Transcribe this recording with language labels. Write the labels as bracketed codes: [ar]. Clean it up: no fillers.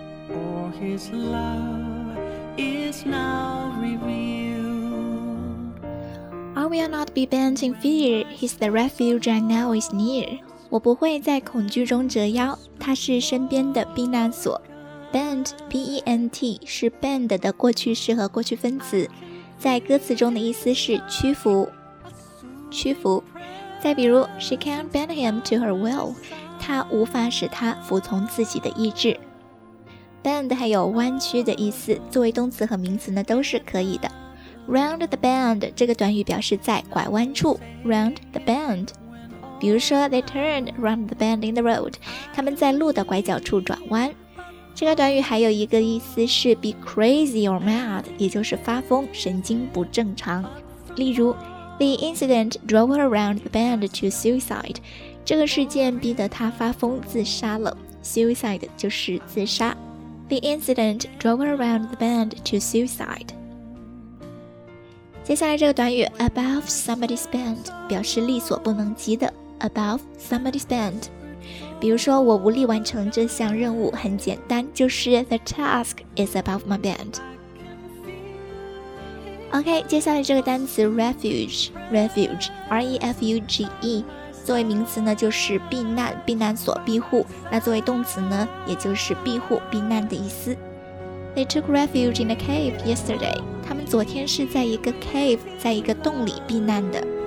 [en] Or his love is now revealed. I will not be bent in fear, he's the refuge I know is near. [zh] 我不会在恐惧中折腰，他是身边的避难所。 Bent, B-E-N-T 是 bend 的过去式和过去分词，在歌词中的意思是屈服屈服。再比如 [en] She can't bend him to her will， [zh] 她无法使他服从自己的意志。 Bend 还有弯曲的意思，作为动词和名词呢都是可以的。 Round the bend 这个短语表示在拐弯处， Round the bend。比如说 [en] They turned round the bend in the road， [zh] 他们在路的拐角处转弯。这个短语还有一个意思是 [en] be crazy or mad， [zh] 也就是发疯，神经不正常。例如 [en] The incident drove her around the bend to suicide， [zh] 这个事件逼得她发疯自杀了。 Suicide 就是自杀。 [en] The incident drove her around the bend to suicide。 [zh] 接下来这个短语 above somebody's bend 表示力所不能及的， above somebody's bend。比如说我无力完成这项任务，很简单，就是 [en] The task is above my bend。 [zh] OK， 接下来这个单词 refuge， refuge， R-E-F-U-G-E 作为名词呢就是避难，避难所，庇护，那作为动词呢也就是庇护，避难的意思。 [en] They took refuge in a cave yesterday， [zh] 他们昨天是在一个 cave， 在一个洞里避难的。